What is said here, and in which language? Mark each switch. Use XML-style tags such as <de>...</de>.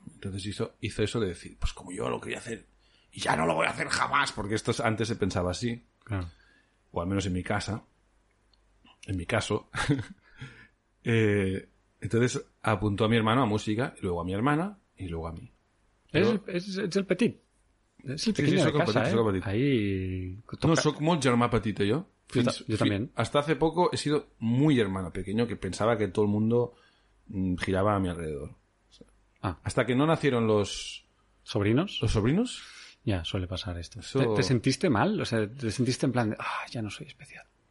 <es>Entonces hizo eso de decir, pues como yo lo quería hacer y ya no lo voy a hacer jamás, porque esto antes se pensaba así. Claro. O al menos en mi casa, en mi caso. entonces apuntó a mi hermano a música, y luego a mi hermana y luego a mí. Es el petit. Es el pequeño de casa, petit, ¿eh? Ahí...</es> <ca>No, soc molt germà petit, jo.</ca> <es>Yo también. Hasta hace poco he sido muy hermano pequeño, que pensaba que todo el mundo giraba a mi alrededor. Ah. Hasta que no nacieron los... ¿Sobrinos? ¿Los sobrinos? Ya, suele pasar esto. Eso... ¿Te sentiste mal? O sea, ¿te sentiste en plan de... Ah, ya no soy especial?</es>